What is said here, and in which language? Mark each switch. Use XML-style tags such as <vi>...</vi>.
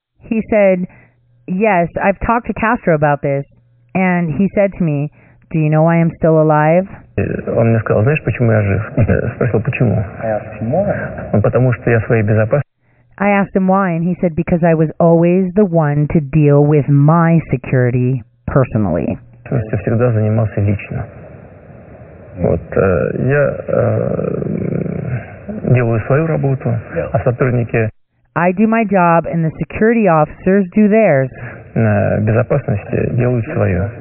<en>He said, yes, I've talked to Castro about this. And he said to me, do you know why I'm still alive?</en> <ru>Он мне сказал, знаешь, почему я жив? Спросил, почему? Потому что я своей безопасности.</ru> <en>I asked him why, and he said, because I was always the one to deal with my security personally.</en> <ru>То есть я всегда занимался лично. Вот, я... делаю свою работу, а сотрудники...</ru> <en>I do my job, and the security officers do theirs.</en> <ru>На безопасности делают свое.</ru>